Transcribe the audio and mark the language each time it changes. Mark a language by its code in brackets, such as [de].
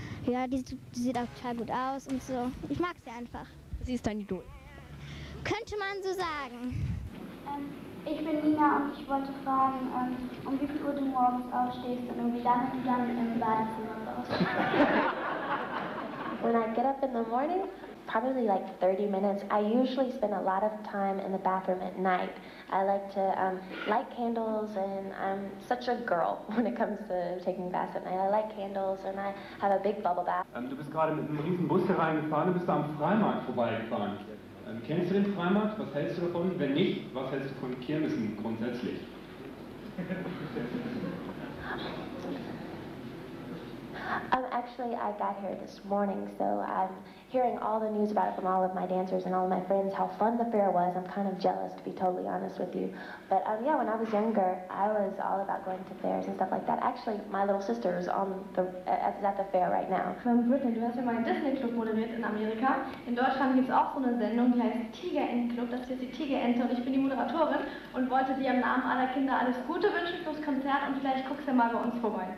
[de] Ja, die sieht auch total gut aus und so. Ich mag sie einfach. Sie ist dein Idol. Könnte man so sagen. Ich bin Nina und ich wollte fragen, um wie viel Uhr du morgens aufstehst und wie lange du dann im Badezimmer bist. [en] When I get up in the morning, probably like 30 minutes, I usually spend a lot of time in the bathroom at night. I like to light candles, and I'm such a girl when it comes to taking baths at night. I light candles and I have a big bubble bath. [de] Du bist gerade mit einem riesen Bus hier reingefahren, du bist da am Freimarkt vorbeigefahren. Kennst du den Freimarkt? Was hältst du davon? Wenn nicht, was hältst du von Kirmesen grundsätzlich? [en] Actually, I got here this morning, so I'm hearing all the news about it from all of my dancers and all of my friends, how fun the fair was. I'm kind of jealous, to be totally honest with you. But yeah, when I was younger, I was all about going to fairs and stuff like that. Actually, my little sister is at the fair right now. [de] Britney, du hast ja mal einen Disney-Club moderiert in Amerika. In Deutschland gibt es auch so eine Sendung, die heißt Tigerentenclub. Das hier ist die Tigerente und ich bin die Moderatorin und wollte dir im Namen aller Kinder alles Gute wünschen fürs Konzert und vielleicht guckst du mal bei uns vorbei.